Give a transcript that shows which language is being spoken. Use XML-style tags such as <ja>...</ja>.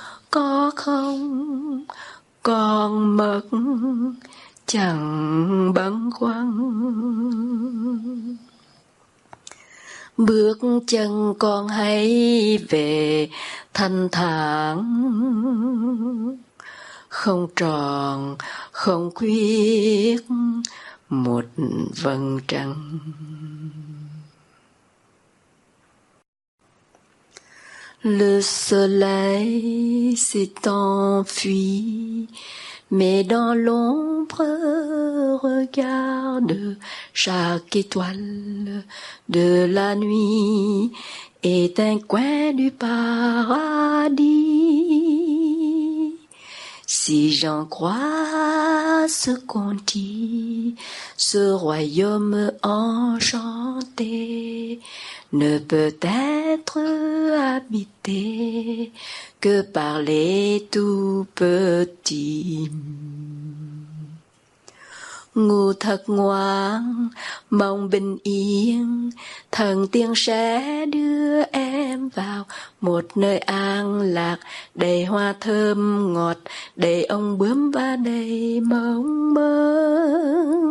<vi>có không còn mất chẳng băn khoăn, bước chân con hãy về thanh thản, không tròn không khuyết một vầng trăng.</vi> <fr>Le soleil s'est enfui, mais dans l'ombre regarde chaque étoile de la nuit, est un coin du paradis. Si j'en crois ce qu'on dit, ce royaume enchanté ne peut être habité que par les tout petits.</fr> <vi>Ngủ thật ngoan, mong bình yên, thần tiên sẽ đưa em vào một nơi an lạc, đầy hoa thơm ngọt, đầy ong bướm và đầy mộng mơ.</vi>